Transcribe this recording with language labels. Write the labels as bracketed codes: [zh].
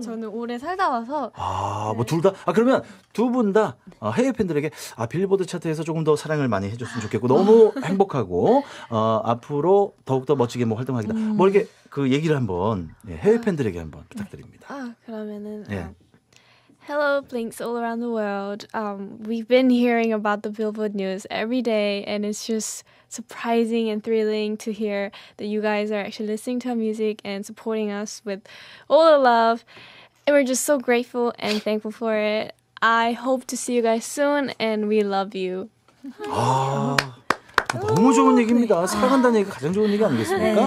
[ko] 저는 올해 살다 와서. 아, 네. 뭐 둘 다? 아, 그러면 두 분 다 해외 팬들에게 아, 빌보드 차트에서 조금 더 사랑을 많이 해줬으면 좋겠고, 너무 행복하고, 앞으로 더욱더 멋지게 뭐 활동하겠다. 뭐 이렇게 그 얘기를 한번 예, 해외 팬들에게 한번 부탁드립니다. 아, 그러면은. 예. [en] Hello, Blinks all around the world. We've been hearing about the Billboard news every day, and it's just surprising and thrilling to hear that you guys are actually listening to our music and supporting us with all the love. And we're just so grateful and thankful for it. I hope to see you guys soon, and we love you. [ko] 아, 너무 좋은 얘기입니다. 사랑한다는 얘기가 가장 좋은 얘기 아니겠습니까?